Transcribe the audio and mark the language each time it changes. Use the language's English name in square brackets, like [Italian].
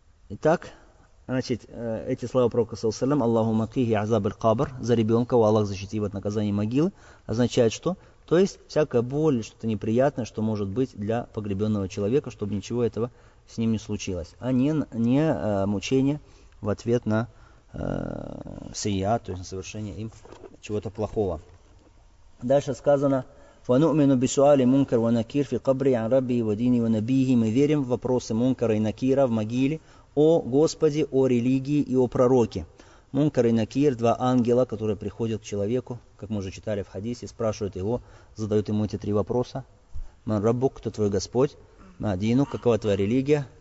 [Russian] Итак, значит, эти слова Пророка Саусалям, [Arabic] Аллахумма кихи азаб аль-кабр, [Russian] за ребенка, у Аллах защити его от наказания могилы, означает что? То есть, всякая боль, что-то неприятное, что может быть для погребенного человека, чтобы ничего этого с ним не случилось, а не мучение в ответ на сия, то есть на совершение им чего-то плохого. Дальше сказано, [Arabic] وَنُؤْمِنُ بِسُؤَالِ مُنْكَرْ وَنَكِيرْ فِي قَبْرِ عَنْ رَبِّهِ وَدِينِ وَنَبِيهِ. [Russian] Мы верим в вопросы мункара и накира в могиле о Господе, о религии и о пророке. Мункар и Накир, два ангела, которые приходят к человеку, как мы уже читали в хадисе, спрашивают его, задают ему эти три вопроса. Ман Раббук, кто твой Господь? Ман Дину, какова твоя религия?